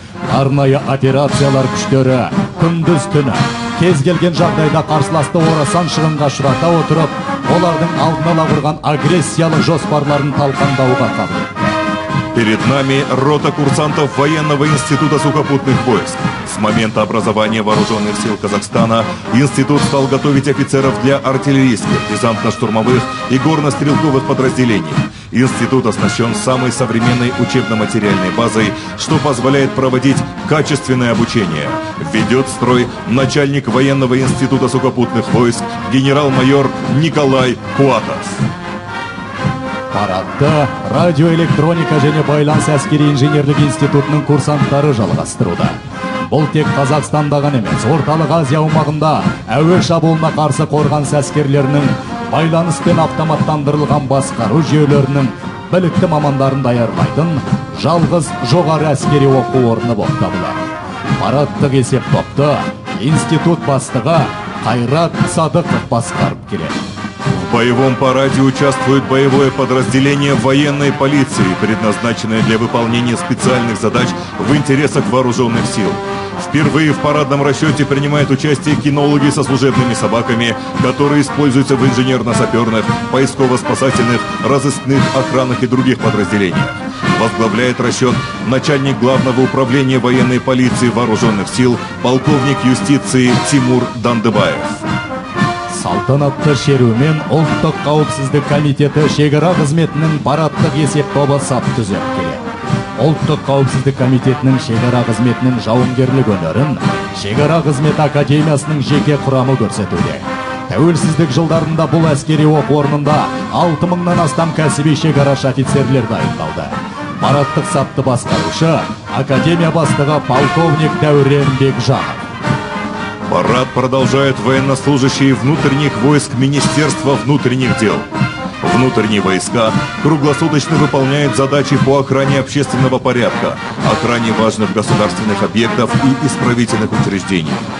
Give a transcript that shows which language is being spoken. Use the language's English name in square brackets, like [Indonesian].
[Kazakh] Арнайы операциялар күштері күндіз-түні кез келген жағдайда қарсыласты орасан шығынға ұшырата отырып, олардың алдын ала құрған агрессиялық жоспарларын талқандауға қабілетті. [Russian] Перед нами рота курсантов Военного института сухопутных войск. С момента образования вооруженных сил Казахстана институт стал готовить офицеров для артиллерийских, десантно-штурмовых и горно-стрелковых подразделений. Институт оснащен самой современной учебно-материальной базой, что позволяет проводить качественное обучение. Ведет строй начальник Военного института сухопутных войск генерал-майор Николай Куатов. [Kazakh] Парадты радиоэлектроника және байланыс әскери инженерлік институтының курсанттары жалғастыруда. Бұл тек Қазақстандағын емес, Орталық Азия аумағында әуе шабуылына қарсы қорғаныс әскерлерінің байланыс пен автоматтандырылған басқару жүйелерінің білікті мамандарын даярлайтын жалғыз жоғары әскери оқу орны болып табылады. Парадтық есеп топты институт бастығы Қайрат Садықов басқарып келеді. [Russian] В боевом параде участвует боевое подразделение военной полиции, предназначенное для выполнения специальных задач в интересах вооруженных сил. Впервые в парадном расчете принимают участие кинологи со служебными собаками, которые используются в инженерно-саперных, поисково-спасательных, разыскных, охранных и других подразделениях. В Возглавляет расчет начальник главного управления военной полиции вооруженных сил, полковник юстиции Тимур Дандыбаев. [Kazakh] Салтанатты шерумен ұлттық қауіпсіздік комитеті шекара қызметінің парадтық есеп тобы сап түзеп келеді. Ұлттық қауіпсіздік комитетінің шекара қызметінің жауынгерлік өнерін шекара қызмет академиясының жеке құрамы көрсетуде. Тәуелсіздік жылдарында бұл әскери оқу орнында 6000-нан астам кәсіби шекарашы офицерлер дайындалды. Парадтық сапты басқарушы академия бастығы полковник Дәурен Бекжанов. [Russian] Парад продолжают военнослужащие внутренних войск Министерства внутренних дел. Внутренние войска круглосуточно выполняют задачи по охране общественного порядка, охране важных государственных объектов и исправительных учреждений.